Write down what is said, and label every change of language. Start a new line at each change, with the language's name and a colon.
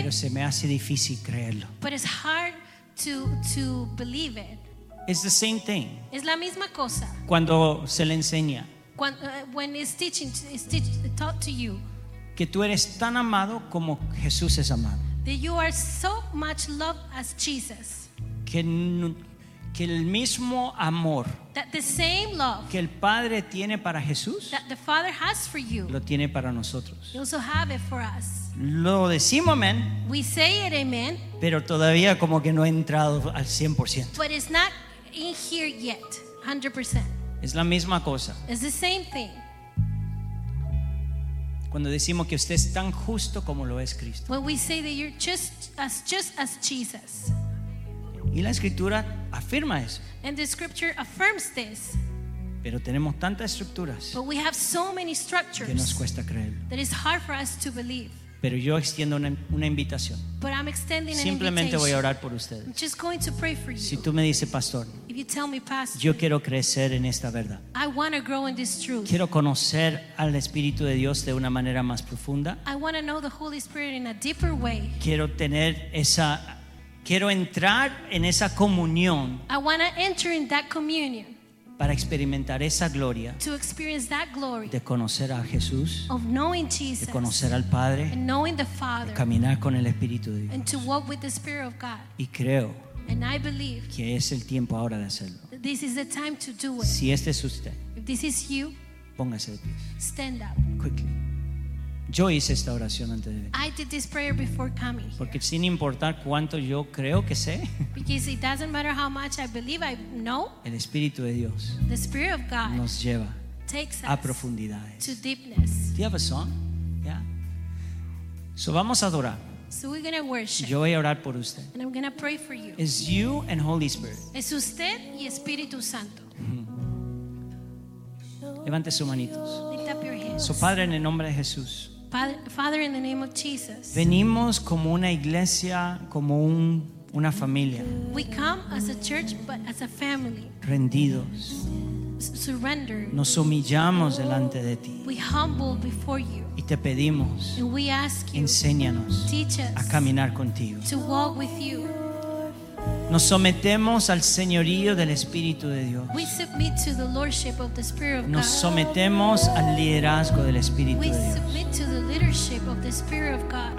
Spanish: Pero se me hace difícil creerlo.
English: But it's hard to believe it. It's the same thing.
Spanish: Es la misma cosa. Cuando se le enseña.
English: When it's taught to you.
Spanish: Que tú eres tan amado como Jesús es amado.
English: That you are so much loved as Jesus.
Spanish: Que el mismo amor.
English: That the same love.
Spanish: Que el Padre tiene para Jesús.
English: That the Father has for you.
Spanish: Lo tiene para nosotros.
English: He also have it for us.
Spanish: Lo decimos amén.
English: We say it amen.
Spanish: Pero todavía como que no ha entrado al 100%.
English: But it's not in here yet, 100%.
Spanish: Es la misma cosa.
English: It's the same thing.
Spanish: cuando decimos que usted es tan justo como lo es Cristo.
English: When we say that you're just as Jesus.
Spanish: Y la escritura afirma eso.
English: And the scripture affirms this.
Spanish: Pero tenemos tantas estructuras.
English: But we have so many structures.
Spanish: Que nos cuesta creerlo.
English: That it's hard for us to believe.
Spanish: Pero yo extiendo una invitación.
English: But I'm extending
Spanish: Simplemente
English: an invitation.
Spanish: Voy a orar por ustedes.
English: I'm just going to pray for you.
Spanish: Si tú me dices, pastor,
English: if you tell me, pastor,
Spanish: yo quiero crecer en esta verdad.
English: I want to grow in this truth.
Spanish: Quiero conocer al Espíritu de Dios de una manera más profunda.
English: I want to know the Holy Spirit in a deeper way.
Spanish: Quiero tener esa, quiero entrar en esa comunión.
English: I want to enter in that communion.
Spanish: Para experimentar esa gloria,
English: to experience that glory,
Spanish: de conocer a Jesús,
English: of knowing Jesus,
Spanish: de conocer al Padre,
English: and knowing the Father,
Spanish: de caminar con el Espíritu de Dios,
English: and to walk with the Spirit of God.
Spanish: Y creo,
English: and I believe,
Spanish: que es el tiempo ahora de hacerlo.
English: This is the time to do it.
Spanish: Si este es usted,
English: if this is you,
Spanish: póngase de pie.
English: Stand up. Quickly.
Spanish: Yo hice esta oración antes de venir.
English: I did this prayer before coming.
Spanish: Porque sin importar cuánto yo creo que sé,
English: because it doesn't matter how much I believe I know,
Spanish: el Espíritu de Dios,
English: the Spirit of God,
Spanish: nos lleva,
English: takes
Spanish: a profundidades,
English: to deepness. Do you have a song? Yeah. So
Spanish: vamos a adorar.
English: So we're gonna worship.
Spanish: Yo voy a orar por usted.
English: And I'm gonna pray for you. It's you and Holy Spirit.
Spanish: Es usted y Espíritu Santo. Levante sus manitos.
English: Lift up your hands. So
Spanish: Padre, en el nombre de Jesús.
English: Father, in the name of Jesus.
Spanish: Venimos como una iglesia, como una familia.
English: We come as a church, but as a family.
Spanish: Rendidos.
English: Surrender.
Spanish: Nos humillamos delante de ti.
English: We humble before you.
Spanish: Y te pedimos.
English: And we ask you.
Spanish: Enséñanos.
English: Teach us.
Spanish: A caminar contigo.
English: To walk with you.
Spanish: Nos sometemos al señorío del Espíritu de Dios.
English: We submit to the lordship of the Spirit of God.
Spanish: Nos sometemos al liderazgo del Espíritu de Dios.
English: We submit to the leadership of the Spirit of God.